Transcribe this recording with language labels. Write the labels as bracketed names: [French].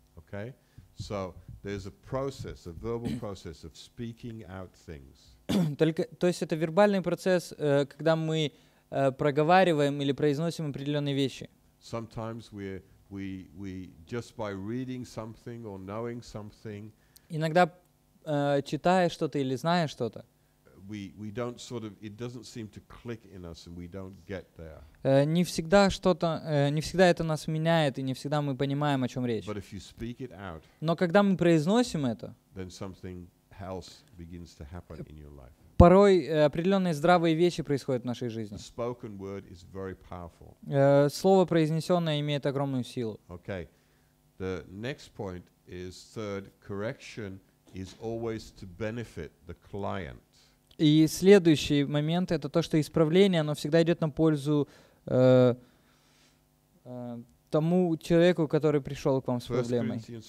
[English] Okay. So there's a process, a verbal process of speaking out things. [Russian] Только, то есть это вербальный процесс, когда мы проговариваем или произносим определенные вещи. [English] Sometimes we just by reading something or knowing something. [Russian] Иногда читая что-то или зная что-то. [English] We don't sort of, it doesn't seem to click in us and we don't get there. [Russian] Не всегда что-то, не всегда это нас меняет и не всегда мы понимаем, о чем речь. [English] But if you speak it out, [Russian] но когда мы произносим это, [English] then something else begins to happen in your life. [Russian] Порой определенные здравые вещи происходят в нашей жизни. [English] The spoken word is very powerful. [Russian] Слово произнесенное имеет огромную силу. [English] Okay. The next point is third, correction is always to benefit the client. [Russian] И следующий момент — это то, что исправление, оно всегда идет на пользу тому человеку, который пришел к вам с проблемой.